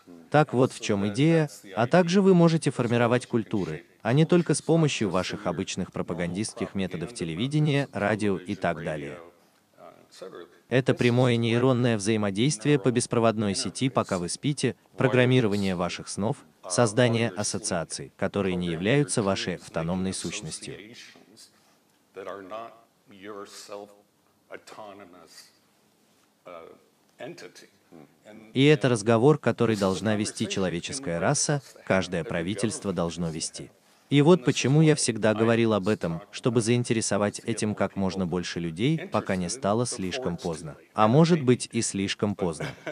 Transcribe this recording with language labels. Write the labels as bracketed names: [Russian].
[Russian] Так вот в чем идея, а также вы можете формировать культуры, а не только с помощью ваших обычных пропагандистских методов телевидения, радио и так далее. Это прямое нейронное взаимодействие по беспроводной сети, пока вы спите, программирование ваших снов, создание ассоциаций, которые не являются вашей автономной сущностью. [English] That are not your self-autonomous entity. [Russian] И это разговор, который должна вести человеческая раса, каждое правительство должно вести. И вот почему я всегда говорил об этом, чтобы заинтересовать этим как можно больше людей, пока не стало слишком поздно. А может быть и слишком поздно.